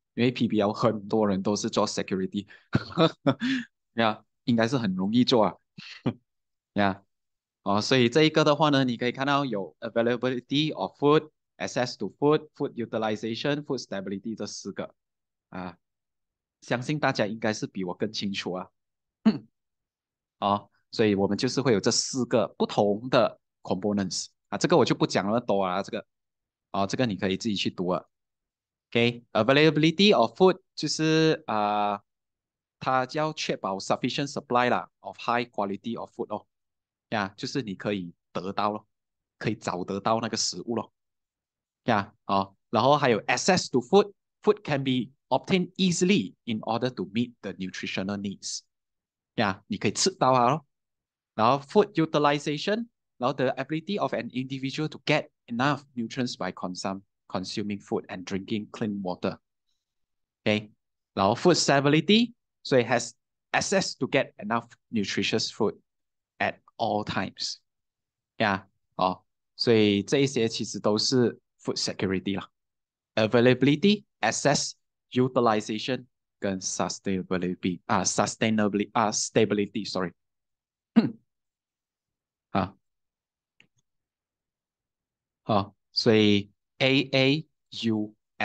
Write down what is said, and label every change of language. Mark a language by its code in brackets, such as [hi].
[zh] 因为 PBL 很多人都是做 security，呀 应该是很容易做啊，呀 哦，所以这一个的话呢，你可以看到有 availability of food, access to food, food utilization, food stability 这四个，啊，相信大家应该是比我更清楚啊，哦，所以我们就是会有这四个不同的 components 啊，这个我就不讲那么多啊，这个，哦，这个你可以自己去读啊。 OK，availability of food 就是它要确保 sufficient supply 啦 of high quality of food 咯，呀，就是你可以得到咯，可以找得到那个食物咯， [en] 呀，好，然后还有 access to food can be obtained easily in order to meet the nutritional needs，呀，你可以吃到啊咯，然后 food utilization，然后 the ability of an individual to get enough nutrients by consuming food and drinking clean water. Okay. 然后 food stability, 所以 has access to get enough nutritious food at all times. Yeah. [zh] 哦，所以这一些其实都是 food security 啦。 [en] Availability, access, utilization 跟 sustainability, sustainability, stability, sorry. [zh] 好，所以 AAUS，AAUS，